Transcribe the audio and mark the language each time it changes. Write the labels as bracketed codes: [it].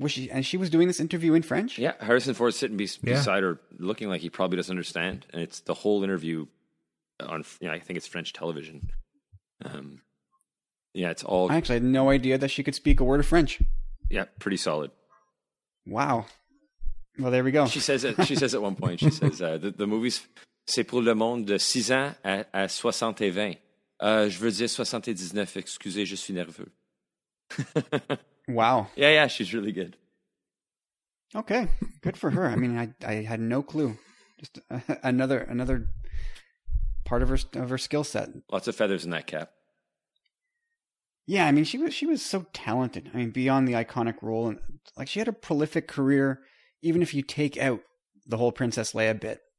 [en] And she was doing this interview in French? Yeah, Harrison Ford sitting beside her, looking like he probably doesn't understand, and it's the whole interview. I think it's French television. It's all. I actually had no idea that she could speak a word of French. Yeah, pretty solid. Wow. Well, there we go. She says it. She says at one point, she says, the movie's [fr] C'est pour le monde de 6 ans à 60 et 20. Je veux dire 79. Excusez, je suis nerveux. [en] Wow. Yeah, she's really good. Okay, good for her. I mean, I had no clue. Just another. Part of her skill set. Lots of feathers in that cap. Yeah, I mean, she was so talented. I mean, beyond the iconic role, and like, she had a prolific career, even if you take out the whole Princess Leia bit.